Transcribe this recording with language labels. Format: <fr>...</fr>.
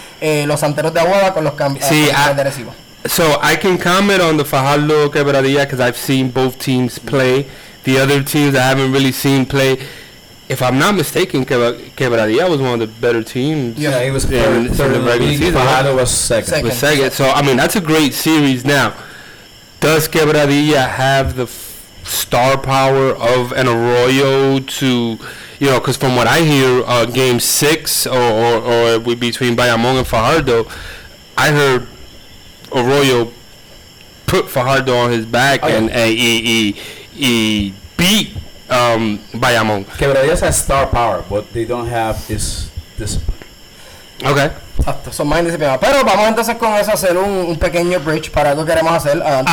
<es>y los Santeros de Aguada con los campeones de Arecibo.</es> <en>So I can comment on the Fajardo Quebradilla because I've seen both teams play. The other teams I haven't really seen play. If I'm not mistaken, Quebradilla was one of the better teams. Yeah, he was third in the regular season. Fajardo was second. So, I mean, that's a great series. Now, does Quebradilla have the star power of an Arroyo to, you know, because from what I hear, game six or between Bayamón and Fajardo, I heard Arroyo put Fajardo on his back and beat Bayamón. Quebradillas has star power, but they don't have this discipline. Okay.</en> <es>Exacto, son más indisciplinados. Pero vamos entonces con eso a hacer un pequeño bridge para algo que queremos hacer antes.</es>